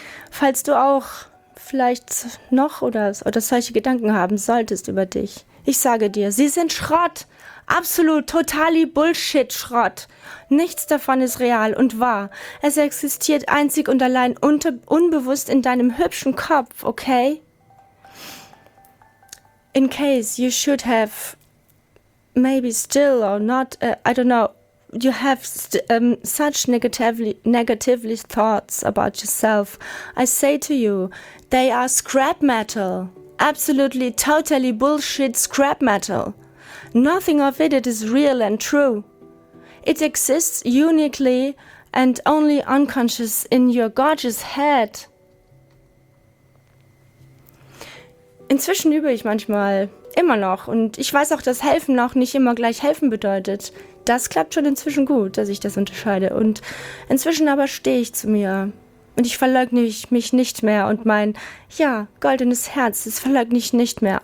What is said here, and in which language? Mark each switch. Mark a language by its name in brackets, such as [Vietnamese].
[German] Falls du auch vielleicht noch oder solche Gedanken haben solltest über dich, ich sage dir, sie sind Schrott. Absolut, totali Bullshit-Schrott. Nichts davon ist real und wahr. Es existiert einzig und allein unbewusst in deinem hübschen Kopf, okay? [English] In case you should have maybe still or not, I don't know, you have such negatively thoughts about yourself, I say to you, they are scrap metal. Absolutely, totally bullshit scrap metal. Nothing of it is real and true. It exists uniquely and only unconscious in your gorgeous head. [German] Inzwischen übe ich manchmal immer noch und ich weiß auch, dass helfen auch nicht immer gleich helfen bedeutet. Das klappt schon inzwischen gut, dass ich das unterscheide. Und inzwischen aber stehe ich zu mir und ich verleugne mich nicht mehr und mein, ja, goldenes Herz, das verleugne ich nicht mehr.